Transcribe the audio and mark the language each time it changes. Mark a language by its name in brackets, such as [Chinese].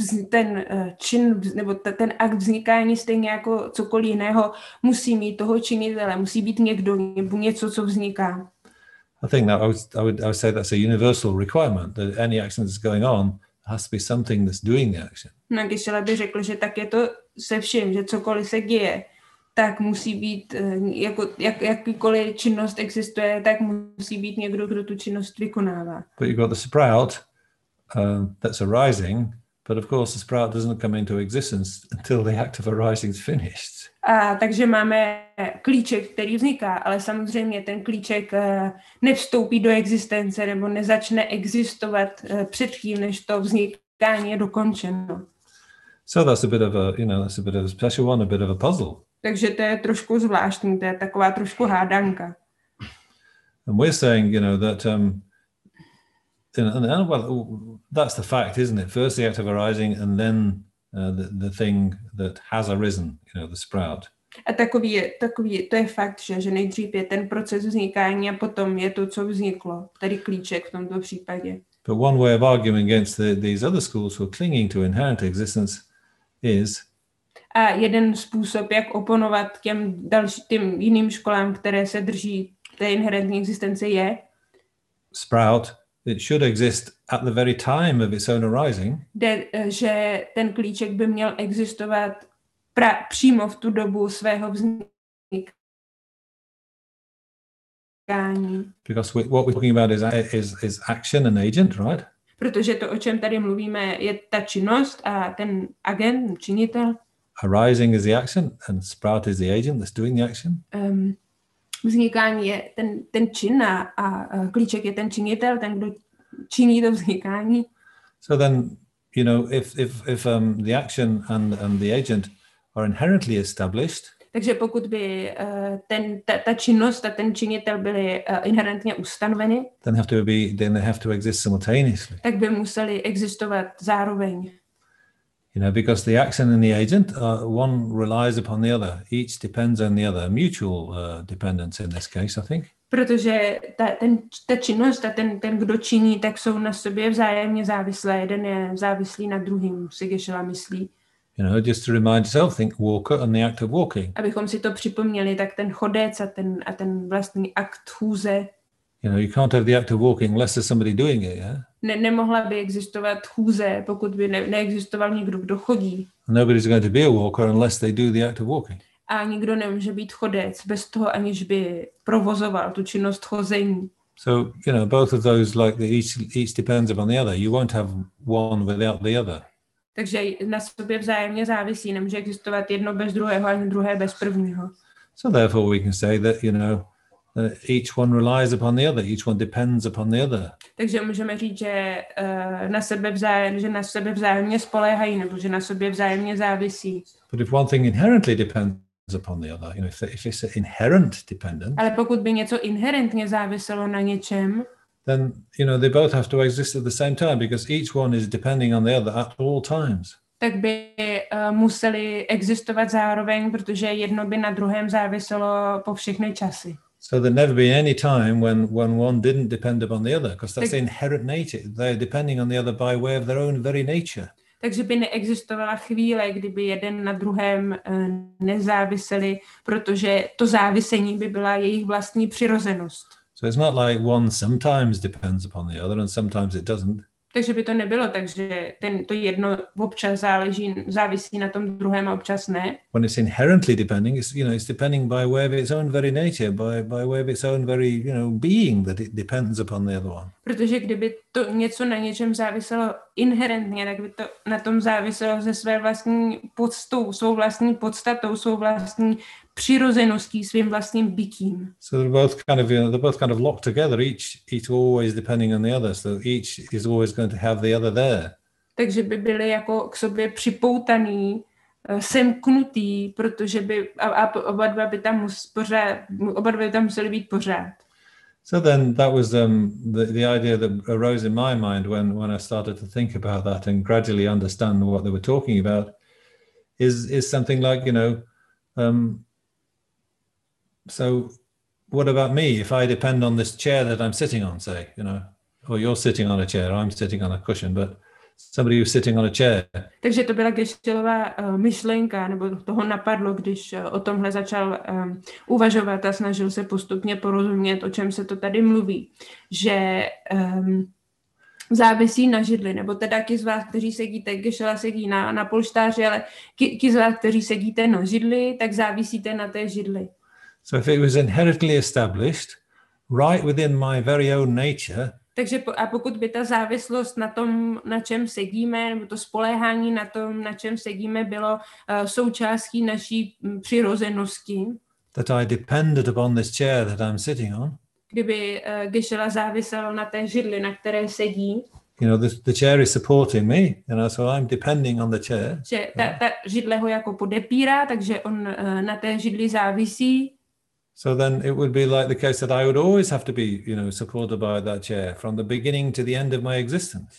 [Czech] Ten čin, nebo ten akt vznikání stejně jako cokoliv jiného, musí mít toho činitele, musí být někdo, nebo něco, co vzniká. [English] I think that I would say that's a universal requirement, that any action that's going on has to be something that's doing the action. [Czech] No, když bych řekl, že tak je to se vším, že cokoliv se děje, tak musí být, jako, jakýkoliv činnost existuje, tak musí být někdo, kdo tu činnost vykonává. [English] But you've got the sprout that's arising, but of course the sprout doesn't come into existence until the act of arising is finished. [Czech] A takže máme klíček, který vzniká, ale samozřejmě ten klíček nevstoupí do existence nebo nezačne existovat předtím, než to vznikání je dokončeno. [English] So that's a bit of a, you know, that's a bit of a special one, a bit of a puzzle. [Czech] Takže to je trošku zvláštní, to je taková trošku hádanka. [English] And we're saying, you know, that and well, that's the fact, isn't it? First the act of arising and then the thing that has arisen, you know, the sprout. [Czech] A takový, to je fakt, že nejdřív je ten proces vznikání a potom je to, co vzniklo, tady klíček v tomto případě. [English] But one way of arguing against these other schools who are clinging to inherent existence is... [Czech] A jeden způsob, jak oponovat těm jiným školám, které se drží té inherentní existence, je... [English] Sprout, it should exist at the very time of its own arising. [Czech] Že ten klíček by měl existovat přímo v tu dobu svého vznikání. [English] Because what we're talking about is action and agent, right? [Czech] Protože to, o čem tady mluvíme, je ta činnost a ten agent, činitel. [English] Arising is the action and sprout is the agent that's doing the action. [Czech] Vznikání je ten čin a klíček je ten činitel, ten, kdo činí to vznikání. [English] So then, you know, if the action and the agent are inherently established. [Czech] Takže pokud by ta činnost a ten činitel byly inherentně ustanoveny, [English] then they have to exist simultaneously. [Czech] Tak by museli existovat zároveň. [English] You know, because the action and the agent, one relies upon the other. Each depends on the other. Mutual dependence in this case, I think. [Czech] Protože ta činnost a ten, kdo činí, tak jsou na sobě vzájemně závislé. Jeden je závislý na druhým, si Geshe-la myslí. [English] You know, just to remind yourself, think walker and the act of walking. [Czech] Abychom si to připomněli, tak ten chodec a ten vlastní akt chůze. [English] You know, you can't have the act of walking unless there's somebody doing it, yeah? [Czech] Nemohla by existovat chůze, pokud by neexistoval nikdo, kdo chodí. [English] Nobody's going to be a walker unless they do the act of walking. [Czech] A nikdo nemůže být chodec bez toho, aniž by provozoval tu činnost chození. [English] So, you know, both of those, like each depends upon the other. You won't have one without the other. [Czech] Takže na sobě vzájemně závisí, nemůže existovat jedno bez druhého, ani druhé bez prvního. [English] So therefore we can say that, you know, each one relies upon the other, each one depends upon the other. [Czech] Takže můžeme říct, že na sebe vzájemně spoléhají, nebo že na sobě vzájemně závisí. [English] But if one thing inherently depends upon the other, you know, if it's an inherent dependent. [Czech] Ale pokud by něco inherentně záviselo na něčem, [English] then, you know, they both have to exist at the same time because each one is depending on the other at all times. [Czech] Tak by museli existovat zároveň, protože jedno by na druhém záviselo po všechny časy. [English] So there'd never be any time when one didn't depend upon the other, because that's the inherent nature. They're depending on the other by way of their own very nature. [Czech] Takže by neexistovala chvíle, kdyby jeden na druhém nezáviseli, protože to závisení by byla jejich vlastní přirozenost. [English] So it's not like one sometimes depends upon the other and sometimes it doesn't. [Czech] Takže by to nebylo, takže to jedno občas závisí na tom druhém a občas ne. [English] When it's inherently depending, it's, you know, it's depending by way of its own very nature, by way of its own very, you know, being that it depends upon the other one. [Czech] Protože kdyby to něco na něčem záviselo inherentně, tak by to na tom záviselo ze své vlastní podstou, svou vlastní podstatou, svou vlastní přirozeností, svým vlastním bytím. [English] So they're both kind of, you know, they're both kind of locked together. Each always depending on the other. So each is always going to have the other there. [Czech] Takže by byly jako k sobě připoutaný, semknutý, protože by oba dva by tam museli být pořád. [English] So then that was the idea that arose in my mind when I started to think about that and gradually understand what they were talking about is something like, you know, so what about me if I depend on this chair that I'm sitting on, say, you know, or you're sitting on a chair, I'm sitting on a cushion, but somebody who's sitting on a chair. [Czech] Takže to byla Geshe-lova myšlenka, nebo toho napadlo, když o tomhle začal uvažovat a snažil se postupně porozumět, o čem se to tady mluví, že závisí na židli, nebo teda ti z vás, kteří sedíte, kešela sedí na polštáři, ale ti z vás, kteří sedíte na židli, tak závisíte na té židli. [English] So if it was inherently established, right within my very own nature, [Czech] takže a pokud by ta závislost na tom, na čem sedíme, nebo to spoléhání na tom, na čem sedíme, bylo součástí naší přirozenosti, [English] that I depended upon this chair that I'm sitting on, [Czech] kdyby Geshe-la závisel na té židli, na které sedí, [English] you know, the chair is supporting me, you know, so I'm depending on the chair, [Czech] že ta židle ho jako podepírá, takže on na té židli závisí. [English] So then it would be like the case that I would always have to be, you know, supported by that chair from the beginning to the end of my existence.